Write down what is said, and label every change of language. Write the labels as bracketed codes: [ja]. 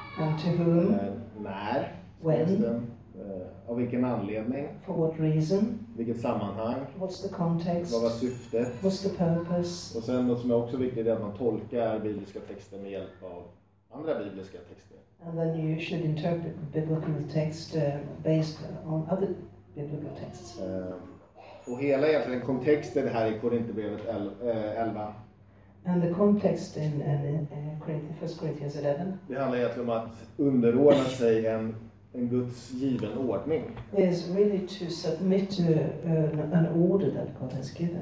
[en] And to whom? [sv] När? [en] When? [sv] Av vilken anledning? [en] For what reason? [sv] Vilket sammanhang? [en] What's the context? [sv] Vad var syftet? [en] What's the purpose? [sv] Och sen något som är också viktigt är att man tolkar bibliska texter med hjälp av andra bibliska texter. [en] And then you should interpret biblical text based on other biblical texts. [sv] Och hela egentligen kontexten här i Korinthierbrevet 11. [en] And the context in First Corinthians 11. [sv] Det handlar egentligen om att underordna sig en Guds given ordning. [en] Is really to submit to an order that God has given.